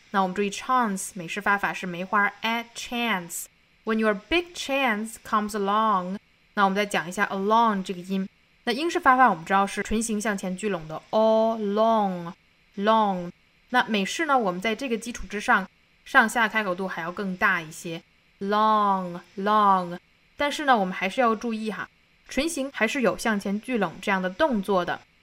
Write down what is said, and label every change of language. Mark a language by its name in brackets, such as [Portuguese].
[Chinese] 那我们注意 chance 美式发法是梅花 a chance. [English] When your big chance comes along, [Chinese] 那我们再讲一下 along 这个音。那英式发法我们知道是唇形向前聚拢的 along. 那美式呢，我们在这个基础之上，上下开口度还要更大一些。 [English] Long. [Chinese] 但是呢我们还是要注意哈，唇形还是有向前聚拢这样的动作的。